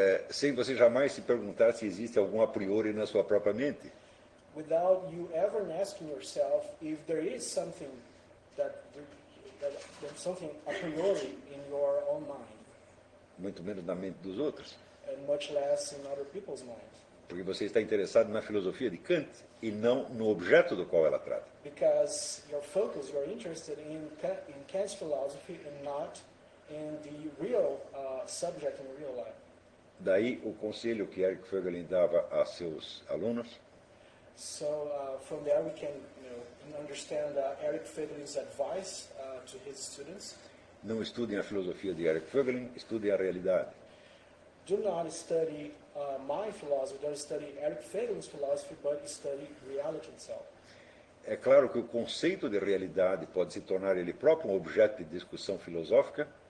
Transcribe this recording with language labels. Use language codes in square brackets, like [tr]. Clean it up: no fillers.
[pt] Sem você jamais se perguntar se existe algum a priori na sua própria mente. [en] Without you ever asking yourself if there is something there's something a priori in your own mind. [pt] Muito menos na mente dos outros. [en] And much less in other people's minds. [pt] Porque você está interessado na filosofia de Kant e não no objeto do qual ela trata. [en] Because your focus, you're interested in Kant's philosophy and not in the real subject in real life. [pt] Daí o conselho que Erich Fögelin dava a seus alunos. [en] So from there we can, you know, understand Erich Fögelin's advice to his students. [pt] Não estudem a filosofia de Erich Fögelin, estudem a realidade. [en] Do not study my philosophy, don't study Erich Fögelin's philosophy, but study reality itself. [pt] É claro que o conceito de realidade pode se tornar ele próprio um objeto de discussão filosófica.